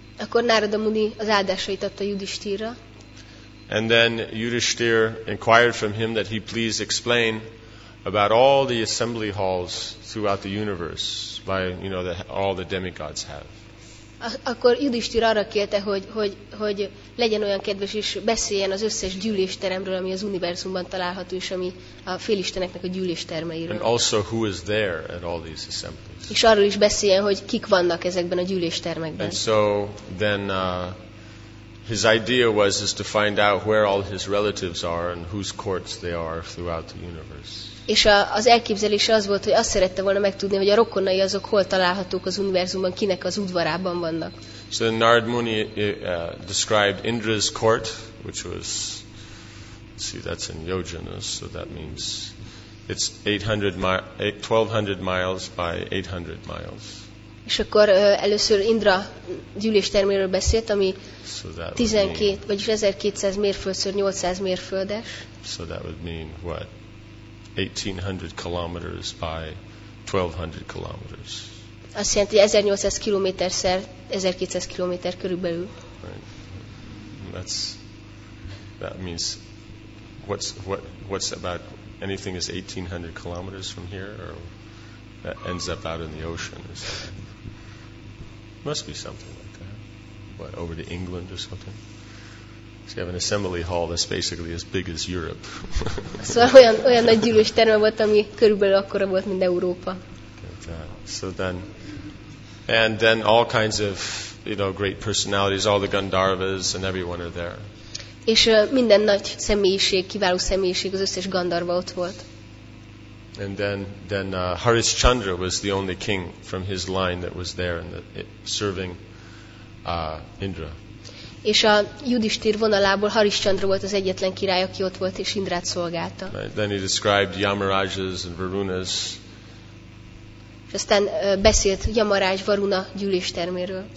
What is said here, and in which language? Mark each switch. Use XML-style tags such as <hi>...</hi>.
<hu>Akkor Narada Muni az áldásait adta Yudhishthirra.</hu> <en>And then Yudhishthir inquired from him that he please explain about all the assembly halls throughout the universe by, you know, that all the demigods have.</en> <hu>Akkor Yudhishthir arra kérte, hogy legyen olyan kedves, és beszéljen az összes gyűlésteremről, ami az univerzumban található, és ami a félisteneknek a gyűlésterméről.</hu> <en>And also who is there at all these assemblies.</en> <hu>És arról is beszéljen, hogy kik vannak ezekben a gyűléstermekben.</hu> <en>And so then his idea was is to find out where all his relatives are and whose courts they are throughout the universe.</en> <hu>És az elképzelése az volt, hogy azt szerette volna megtudni, hogy a rokonai azok hol találhatók az univerzumban, kinek az udvarában vannak.</hu> <en>So Narad Muni described Indra's court, which was, see, that's in Yojanas, so that means it's 1200 miles by 800 miles.</en> <hu>És akkor először Indra gyűlésterméről beszélt, ami 12, vagyis 1200 mérföldször 800 mérföldes.</hu> <en>So that would mean what? 1800 kilometers by 1200 kilometers.</en> <hu>Azt jelenti, hogy 1800 kilométer szer 1200 kilométer körülbelül.</hu> <en>Right. That means what's about anything is 1800 kilometers from here or that ends up out in the ocean or something. Must be something like that. What, over to England or something? So you have an assembly hall that's basically as big as Europe.</en> <hu>Szóval olyan nagy gyűlésterme volt, ami körülbelül akkora volt, mint Európa.</hu> <en>So then all kinds of, you know, great personalities, all the Gandharvas and everyone are there.</en> <hu>És minden nagy személyiség, kiváló személyiség, az összes Gandharva ott volt.</hu> <en>And then Harishchandra was the only king from his line that was there and serving Indra.</en> <hu>És a Yudhishthir vonalából Harishchandra volt az egyetlen király, aki ott volt és Indrát szolgálta.</hu> <en>Then he described Yamarajas and Varunas.</en> <hu>És aztán beszélt Yamaraj Varuna gyűlésterméről.</hu>